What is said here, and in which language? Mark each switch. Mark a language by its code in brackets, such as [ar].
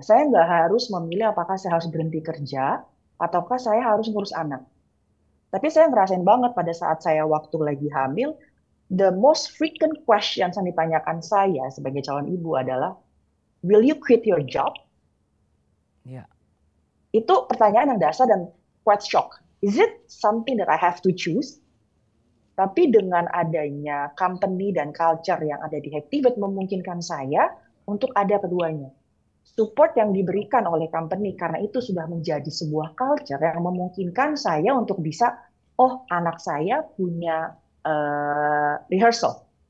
[id] Saya nggak harus memilih apakah saya harus berhenti kerja ataukah saya harus ngurus anak. Tapi saya ngerasain banget pada saat saya waktu lagi hamil. [en] The most frequent question [id] yang ditanyakan saya sebagai calon ibu adalah, [en] "Will you quit your job?" [id] Ya. Itu pertanyaan yang dasar dan [en] quite shock. Is it something that I have to choose? [id] Tapi dengan adanya company dan culture yang ada di Hactivate memungkinkan saya untuk ada keduanya. Support yang diberikan oleh company karena itu sudah menjadi sebuah culture yang memungkinkan saya untuk bisa, oh, anak saya punya rehearsal.